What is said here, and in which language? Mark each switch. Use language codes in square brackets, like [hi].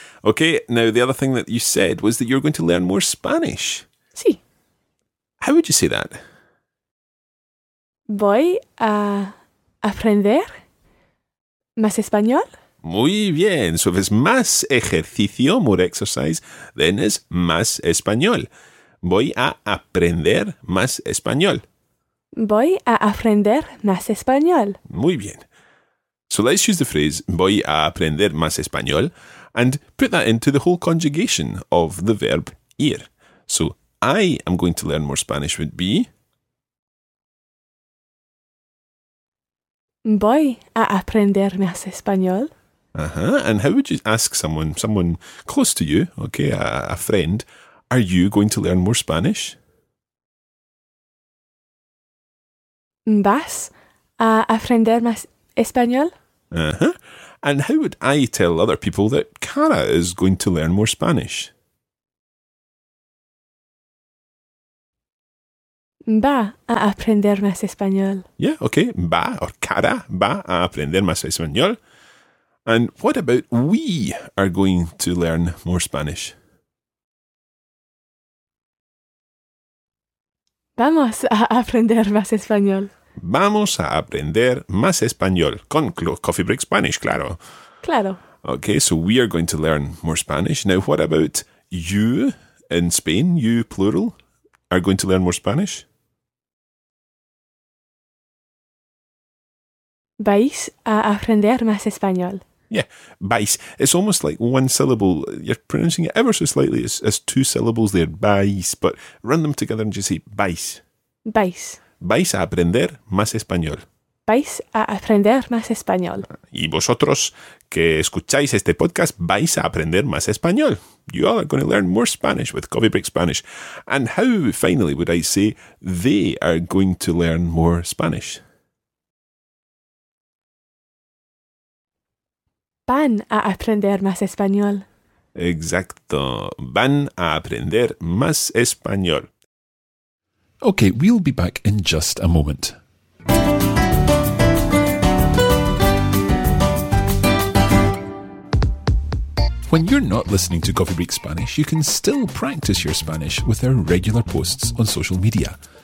[en] Okay, now the other thing that you said was that you're going to learn more Spanish. [es] Sí. [en] How would you say that? [es] Voy a aprender más español. Muy bien. [en] So if it's [es] más ejercicio, [en] more exercise, then it's [es] más español. Voy a aprender más español. Voy a aprender más español. Muy bien. [en] So let's use the phrase, [es] voy a aprender más español, [en] and put that into the whole conjugation of the verb ir. So I am going to learn more Spanish would be... [es] Voy a aprender más español. Uh-huh. [en] And how would you ask someone close to you, okay, a friend, are you going to learn more Spanish? [es] ¿Vas a aprender más español? Uh-huh. [en] And how would I tell other people that Cara is going to learn more Spanish? [es] Va a aprender más español. [en] Yeah, okay. [es] Va, or Cara, va a aprender más español. [en] And what about we are going to learn more Spanish? [es] Vamos a aprender más español. Vamos a aprender más español con Coffee Break Spanish, claro. Claro. [en] Okay, so we are going to learn more Spanish. Now, what about you in Spain, you plural, are going to learn more Spanish? [es] Vais a aprender más español. [en] Yeah, vais. It's almost like one syllable. You're pronouncing it ever so slightly as two syllables there, vais. But run them together and just say vais. [es] Vais. Vais a aprender más español. Vais a aprender más español. Y vosotros que escucháis este podcast, vais a aprender más español. [en] You all are going to learn more Spanish with Coffee Break Spanish. And how, finally, would I say they are going to learn more Spanish? [es] Van a aprender más español. Exacto. Van a aprender más español. [en] Okay, we'll be back in just a moment. When you're not listening to Coffee Break Spanish, you can still practice your Spanish with our regular posts on social media.